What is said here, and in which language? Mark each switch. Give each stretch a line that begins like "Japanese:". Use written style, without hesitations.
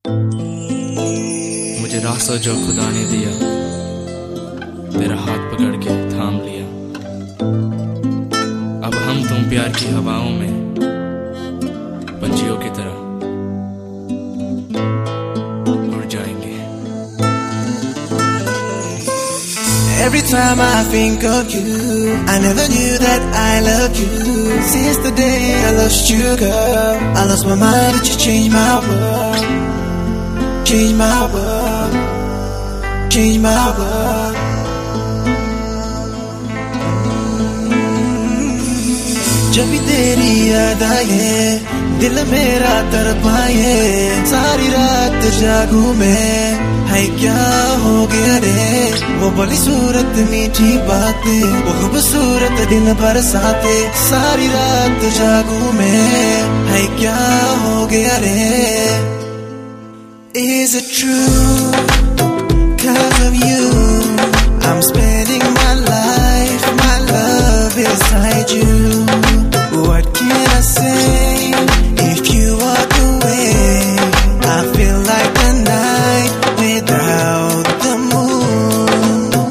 Hindi: रास्ता जो खुदा ने दिया, मेरा हाथ पकड़ के थाम लिया। अब हम तुम प्यार की हवाओं में पंछियों की तरह उड़ जाएंगे।
English: Every time I think of you, I never knew that I loved you. Since the day I lost you, girl, I lost my mind, but you changed my world. Change my world, change my world.
Hindi: जब भी तेरी याद आए, दिल मेरा तड़पाए, सारी रात जागू मैं, है क्या हो गया रे? वो बड़ी सूरत मीठी बातें, वो खूबसूरत दिल बरसाते, सारी रात जागू मैं, है क्या हो गया रे?
English: Is it true? 'Cause of you, I'm spending my life. My love beside you. What can I say? If you walk away, I feel like the night without the moon.